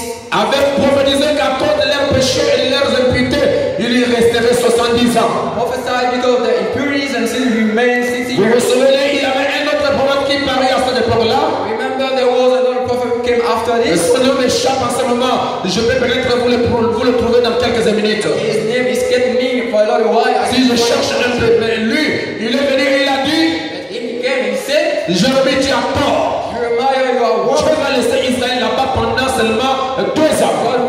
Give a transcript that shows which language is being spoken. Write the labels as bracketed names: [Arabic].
[French] Avait prophétisé qu'à cause de leurs péchés et leurs impuretés, il y resterait 70 ans. [English] Prophesied because of the impurities and sin remained 60 [French] years. Vous vous souvenez, il y avait un autre prophète qui parut à cette époque-là. [English] Remember there was another prophet who came after this. [French] Son nom m'échappe en ce moment. Je vais peut-être vous le trouver dans quelques minutes. [English] His name is getting me for a little while. [French] Si je cherche un peu lui, il est venu et il a dit. Jérémie, tu as tort. Dieu va laisser Israël là-bas pendant seulement 2 ans.